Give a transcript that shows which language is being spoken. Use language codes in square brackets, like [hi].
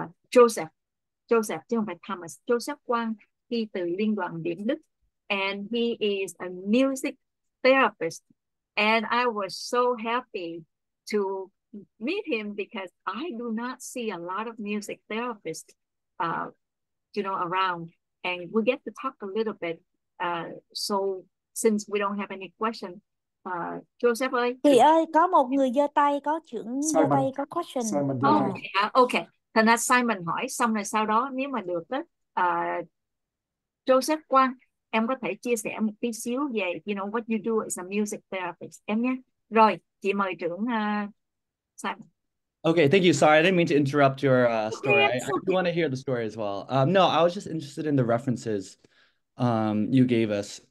[vi] Joseph, chứ không phải Thomas. Joseph Quang, he từ Liên đoàn Điện Đức. [en] And he is a music therapist. And I was so happy to meet him because I do not see a lot of music therapists, you know, around. And we get to talk a little bit. So since we don't have any questions, Joseph, ơi. [vi] Chị ơi, có một người giơ tay, có chuyện giơ tay, có question. [en] Simon, okay. [vi] Thành ra Simon hỏi, xong rồi sau đó, nếu mà được, Joseph Quang, em có thể chia sẻ một tí xíu về, you know, [en] what you do as a music therapist, [vi] em nhé. Rồi, chị mời trưởng Simon. [en] Okay, thank you. Sorry, I didn't mean to interrupt your story. I do want to hear the story as well. No, I was just interested in the references you gave us.